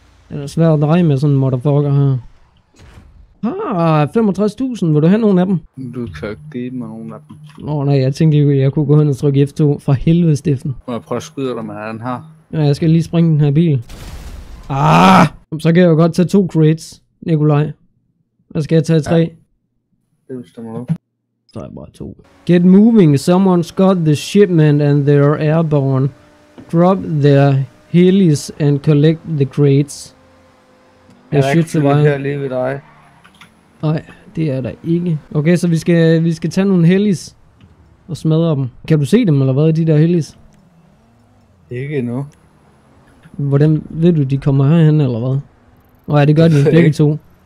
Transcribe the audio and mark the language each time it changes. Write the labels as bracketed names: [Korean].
[Danish] Det er svært at dreje med sådan en motherfucker her. Ah, 65.000. Vil du have nogen af dem? Du kan ikke give mig nogen af dem. Nå nej, jeg tænkte jo, jeg kunne gå hen og trykke F2 fra helvede, Steffen. Må jeg prøve at skyde dig med den her? Ja, jeg skal lige springe den her bil. Ah! Så kan jeg jo godt tage 2 crates, Nikolaj. Hvad skal jeg tage? 3? Ja, det bestemmer du. Så er jeg bare 2. [English] Get moving, someone's got the shipment and they're airborne. Drop their helis and collect the crates. [Danish] Jeg er ikke flyttet her lige ved dig. Nej, det er der ikke. Okay, så vi skal tage nogle helis og smadre dem. Kan du se dem, eller hvad er de der helis? Ikke endnu. Hvordan ved du, de kommer herhen, eller hvad? Nej, det gør de begge to.